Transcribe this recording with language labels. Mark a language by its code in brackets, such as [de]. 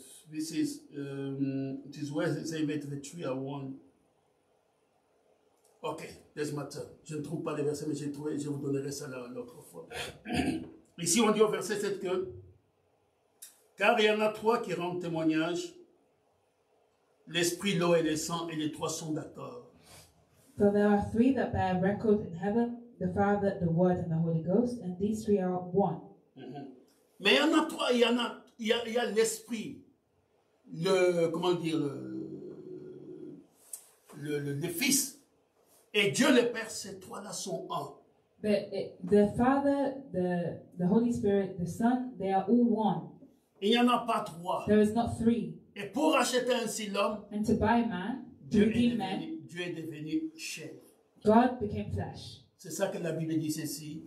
[en] This is where they say the tree are one. Ok, this matter. [fr] Je ne trouve pas les versets, mais je vous donnerai ça l'autre fois. Ici, on dit au verset 7 que, car il y en a trois qui rendent témoignage, l'esprit, l'eau et le sang, et les trois sont d'accord. [en] For there are three that bear record in heaven, the Father, the Word, and the Holy Ghost, and these three are one. Mm-hmm. [fr] Mais il y en a trois, il y a l'esprit, le fils, et Dieu le Père, ces trois-là sont un. [en] But the Father, the Holy Spirit, the Son, they are all one. [fr] Il n'y en a pas trois. [en] There is not three. [fr] Et pour acheter ainsi l'homme, [en] and to buy man, [fr] Dieu est devenu chair. [en] God became flesh. [fr] C'est ça que la Bible dit ici.